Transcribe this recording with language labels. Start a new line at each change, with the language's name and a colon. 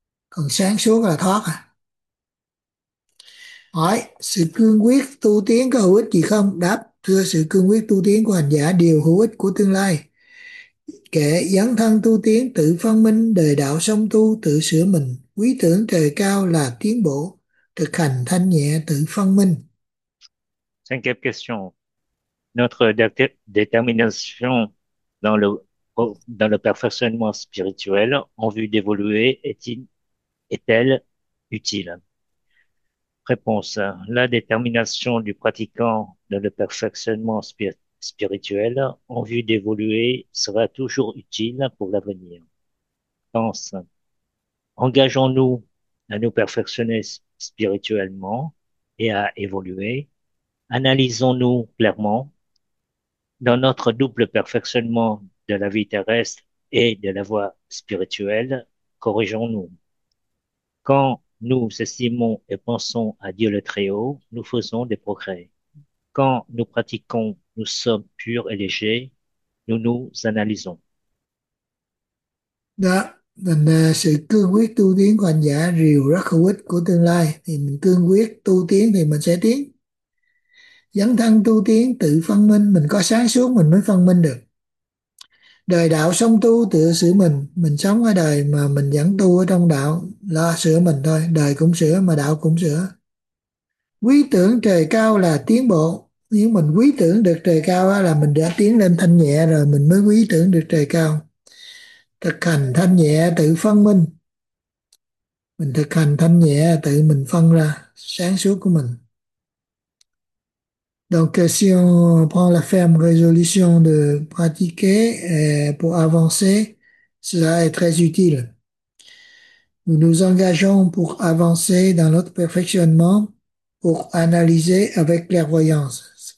Vietnamese: Còn sáng suốt là thoát à. Hỏi, sự cương quyết tu tiến có hữu ích gì không? Đáp, thưa sự cương quyết tu tiến của hành giả điều hữu ích của tương lai. Kệ dấn thân tu tiến, tự phân minh, đời đạo song tu, tự sửa mình. Quý tưởng trời cao là tiến bộ, thực hành thanh nhẹ tự phân minh.
French: Cinquième question. Notre détermination dans le perfectionnement spirituel en vue d'évoluer est-elle utile? Réponse. La détermination du pratiquant dans le perfectionnement spirituel en vue d'évoluer sera toujours utile pour l'avenir. Pense. Engageons-nous à nous perfectionner spirituellement et à évoluer. Analysons-nous clairement dans notre double perfectionnement de la vie terrestre et de la voie spirituelle, corrigeons-nous. Quand nous estimons et pensons à Dieu le Très-Haut, nous faisons des progrès. Quand nous pratiquons, nous sommes purs et légers, nous nous analysons.
Vietnamese: Đó, mình sự cương quyết tu tiến của hành giả rìu rất hữu ích của tương lai. Thì mình cương quyết tu tiến thì mình sẽ tiến. Dấn thân tu tiến tự phân minh, mình có sáng suốt mình mới phân minh được. Đời đạo song tu tự sửa mình sống ở đời mà mình vẫn tu ở trong đạo, lo sửa mình thôi, đời cũng sửa mà đạo cũng sửa. Quý tưởng trời cao là tiến bộ, nếu mình quý tưởng được trời cao đó là mình đã tiến lên thanh nhẹ rồi, mình mới quý tưởng được trời cao. Thực hành thanh nhẹ tự phân minh, mình thực hành thanh nhẹ tự mình phân ra sáng suốt của mình.
French: Donc si on prend la ferme résolution de pratiquer pour avancer, cela est très utile. Nous nous engageons pour avancer dans notre perfectionnement, pour analyser avec clairvoyance.